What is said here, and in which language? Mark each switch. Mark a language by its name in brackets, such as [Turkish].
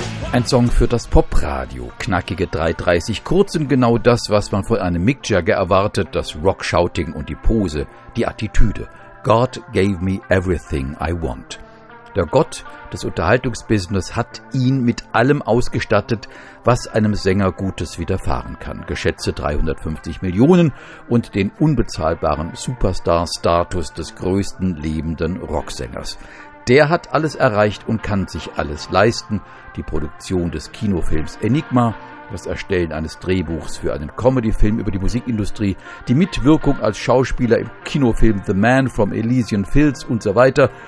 [German] Ein Song für das Popradio. Knackige 3,30, kurz und genau das, was man von einem Mick Jagger erwartet. Das Rock-Shouting und die Pose, die Attitüde. [English] God gave me everything I want. [German] Der Gott des Unterhaltungsbusiness hat ihn mit allem ausgestattet, was einem Sänger Gutes widerfahren kann. Geschätzte 350 Millionen und den unbezahlbaren Superstar-Status des größten lebenden Rocksängers. Der hat alles erreicht und kann sich alles leisten. Die Produktion des Kinofilms Enigma, das Erstellen eines Drehbuchs für einen Comedy-Film über die Musikindustrie, die Mitwirkung als Schauspieler im Kinofilm The Man from Elysian Fields und so weiter.